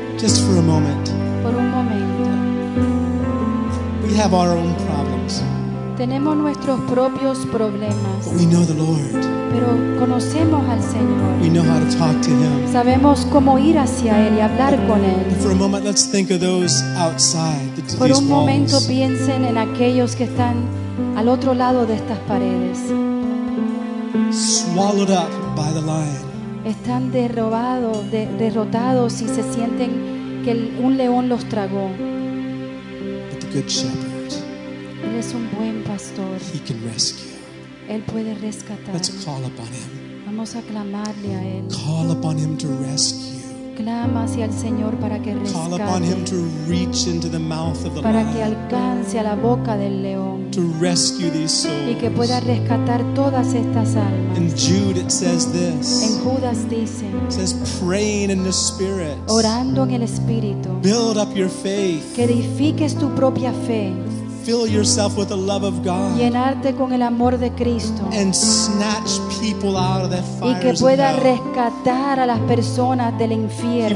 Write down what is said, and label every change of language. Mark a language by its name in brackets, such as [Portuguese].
[English] Just for a moment. [Spanish] Por un momento. [English] We have our own problems. [Spanish] Tenemos nuestros propios problemas. [English] But we know the Lord. [Spanish] Pero conocemos al Señor. [English] We know how to talk to Him. [Spanish] Sabemos cómo ir hacia Él y hablar con Él. [English] For a moment, let's think of those outside these walls. [Spanish] Por un momento piensen en aquellos que están al otro lado de estas paredes. [English] Swallowed up by the lion. [Spanish] Están derrotados y se sienten que un león los tragó. [English] But the good shepherd, [Spanish] él es un buen pastor. [English] He can rescue. [Spanish] Él puede rescatar. [English] Let's call upon him. [Spanish] Vamos a clamarle a él. [English] Call upon him to rescue. [Spanish] Clama hacia el Señor para que rescate. [English] Call upon him to reach into the mouth of the [Spanish] para [English] lion. [Spanish] Que alcance a la boca del león. [English] To rescue these souls. [Spanish] Y que pueda rescatar todas estas almas. [English] In Jude it says this. [Spanish] En Judas dice. [English] It says praying in the spirit. [Spanish] Orando en el espíritu. [English] Build up your faith. [Spanish] Que edifiques tu propia fe. [English] Fill yourself with the love of God. [Spanish] Llenarte con el amor de Cristo. [English] And snatch people out of the fires of hell. [Spanish] Y que pueda rescatar a las personas del infierno.